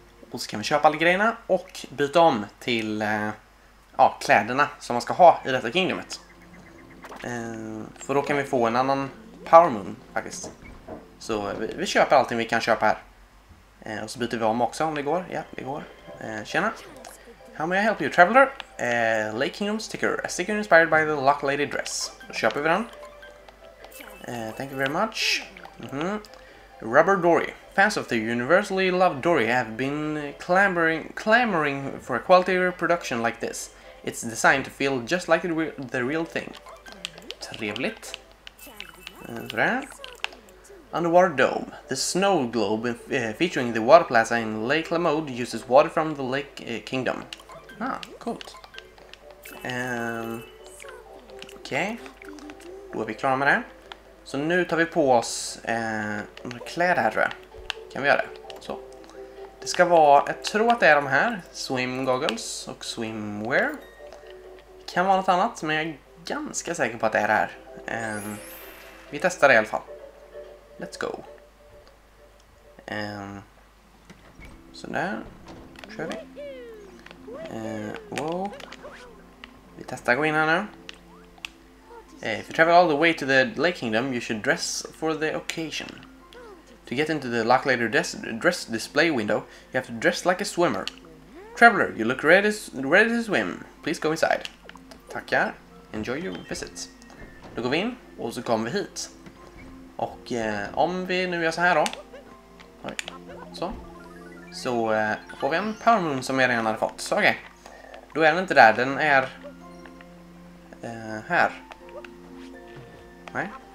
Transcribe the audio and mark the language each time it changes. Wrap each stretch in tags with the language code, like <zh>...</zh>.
<sv>Och så kan vi köpa alla grejerna. Och byta om till kläderna som man ska ha i detta kingdomet. För då kan vi få en annan Power Moon, faktiskt. Så vi köper allting vi kan köpa här. Och så byter vi om också, om det går. Ja, det går. Tjena.</sv> <en>How may I help you, traveler? Lake Kingdom sticker. A sticker inspired by the Lock Lady dress.</en> <sv>Då köper vi den.</sv> <en>Thank you very much.</en> <sv>Mm-hmm. Rubber Dory.</sv> <en>Fans of the universally loved Dory have been clamoring for a quality reproduction like this. It's designed to feel just like the real thing.</en> <sv>Trevligt. Sådär.</sv> <en>Underwater Dome. The snow globe featuring the water plaza in Lake Lamode uses water from the Lake Kingdom.</en> <sv>Ah, coolt. Okej. Okay. Då är vi klara med det. Så nu tar vi på oss några kläder här, tror jag. Kan vi göra det? Så. Det ska vara, jag tror att det är de här, swim goggles och swimwear. Kan vara något annat, men jag är ganska säker på att det är det här. Vi testar det i alla fall.</sv> <en>Let's go.</en> <sv>Sådär, kör vi. Wow. Vi testar att gå in här nu.</sv> <en>If you travel all the way to the Lake Kingdom, you should dress for the occasion. To get into the Lock Later dress display window, you have to dress like a swimmer. Traveler, you look ready to swim. Please go inside.</en> <sv>Tackar.</sv> <en>Enjoy your visit.</en> <sv>Då går vi in och så kommer vi hit. Och om vi nu gör så här då. Så. Så får vi en Power Moon som jag redan hade fått. Så okej. Då är den inte där. Den är här. Nej.</sv>